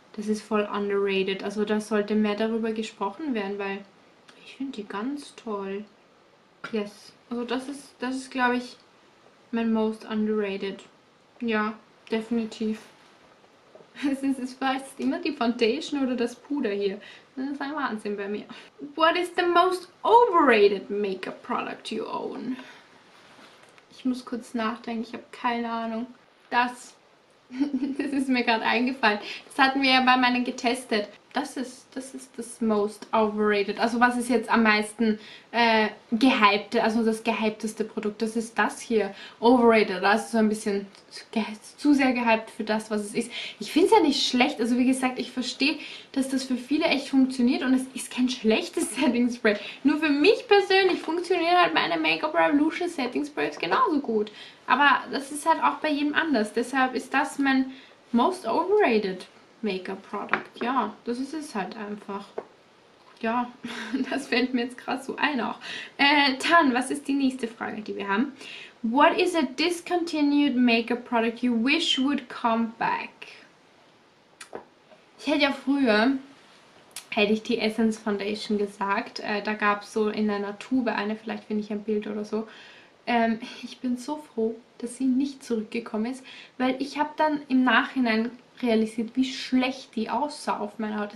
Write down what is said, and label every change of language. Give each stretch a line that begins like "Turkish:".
German: Das ist voll underrated. Also da sollte mehr darüber gesprochen werden, weil ich finde die ganz toll. Yes. Also das ist, glaube ich, mein most underrated. Ja, definitiv. Es war jetzt immer die Foundation oder das Puder hier. Das ist ein Wahnsinn bei mir.
English: What is the most overrated makeup product you own?
German: Ich muss kurz nachdenken. Ich habe keine Ahnung. Das ist mir gerade eingefallen. Das hatten wir ja bei meinen getestet. Das ist das most overrated. Also was ist jetzt am meisten gehypte, also das gehypteste Produkt? Das ist das hier. Overrated. Also so ein bisschen zu sehr gehypt für das, was es ist. Ich finde es ja nicht schlecht. Also wie gesagt, ich verstehe, dass das für viele echt funktioniert und es ist kein schlechtes Setting Spray. Nur für mich persönlich funktionieren halt meine Make-up Revolution Setting Sprays genauso gut. Aber das ist halt auch bei jedem anders. Deshalb ist das mein most overrated Make-up-Product. Ja, das ist es halt einfach. Ja, das fällt mir jetzt gerade so ein auch. Tan, was ist die nächste Frage, die wir haben?
English: What is a discontinued Make-up-Product you wish would come back?
German: Ich hätte ja früher, hätte ich die Essence Foundation gesagt. Da gab es so in einer Tube eine, vielleicht finde ich ein Bild oder so. Ich bin so froh, dass sie nicht zurückgekommen ist, weil ich habe dann im Nachhinein realisiert, wie schlecht die aussah auf meiner Haut.